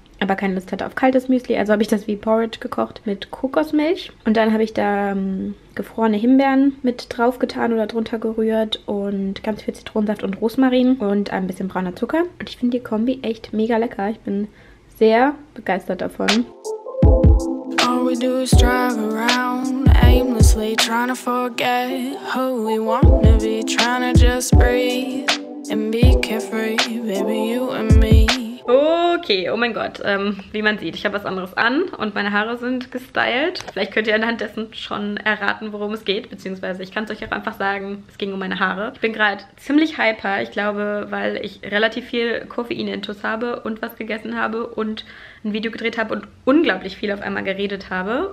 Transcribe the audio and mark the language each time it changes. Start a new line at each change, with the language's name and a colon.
German: Aber keine Lust hatte auf kaltes Müsli, also habe ich das wie Porridge gekocht mit Kokosmilch. Und dann habe ich da gefrorene Himbeeren mit drauf getan oder drunter gerührt und ganz viel Zitronensaft und Rosmarin und ein bisschen brauner Zucker. Und ich finde die Kombi echt mega lecker. Ich bin sehr begeistert davon.
English: All we do is drive around aimlessly, trying to forget who we want to be, trying to just breathe and be carefree, baby, you and me.
German: Okay, oh mein Gott, wie man sieht, ich habe was anderes an und meine Haare sind gestylt. Vielleicht könnt ihr anhand dessen schon erraten, worum es geht, beziehungsweise ich kann es euch auch einfach sagen, es ging um meine Haare. Ich bin gerade ziemlich hyper, ich glaube, weil ich relativ viel Koffein-Intus habe und was gegessen habe und ein Video gedreht habe und unglaublich viel auf einmal geredet habe.